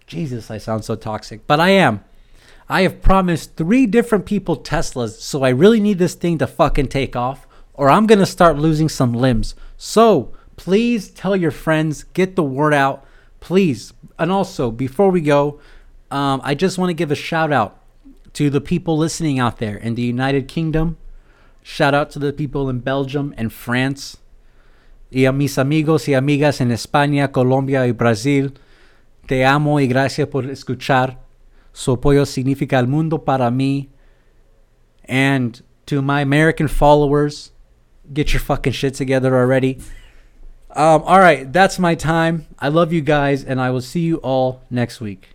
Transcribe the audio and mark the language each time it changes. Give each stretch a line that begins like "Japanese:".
English: Jesus, I sound so toxic, but I am. I have promised 3 different people Teslas, so I really need this thing to fucking take off, or I'm going to start losing some limbs. So please tell your friends, get the word out, please. And also, before we go, I just want to give a shout out to the people listening out there in the United Kingdom. Shout out to the people in Belgium and France.
Spanish: Y a mis amigos y amigas en España, Colombia y Brasil. Te amo y gracias por escuchar. Su apoyo significa el mundo para mí.
English: And to my American followers, get your fucking shit together already. All right, that's my time. I love you guys, and I will see you all next week.